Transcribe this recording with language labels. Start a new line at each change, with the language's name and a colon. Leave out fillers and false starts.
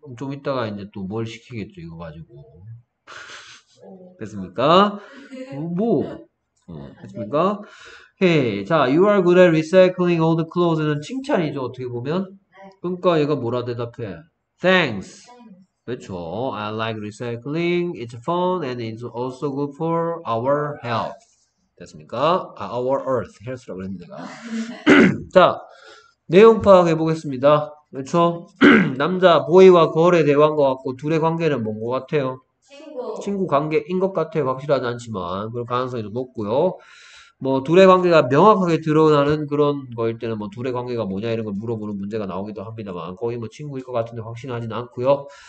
Korean: 좀 이따가 이제 또뭘 시키겠죠, 이거 가지고. 됐습니까? 뭐 했습니까?
English: 헤이, 자, you are good at recycling all the clothes는
Korean: 칭찬이죠, 어떻게 보면.
English: 그러니까 얘가 뭐라 대답해? Thanks.
Korean: 그렇죠.
English: I like recycling. It's fun and it's also good for our health.
Korean: 됐습니까?
English: Our earth, health
Korean: 라고 했는데 내가. 자, 내용 파악해 보겠습니다. 그렇죠? 남자 보이와 거울의 대화인 것 같고 둘의 관계는 뭔것 같아요? 친구. 친구 관계인 것 같아요. 확실하지 않지만 그럴 가능성이 높고요. 뭐 둘의 관계가 명확하게 드러나는 그런 거일 때는 뭐 둘의 관계가 뭐냐 이런 걸 물어보는 문제가 나오기도 합니다만 거의 뭐 친구일 것 같은데 확신하지는 않고요.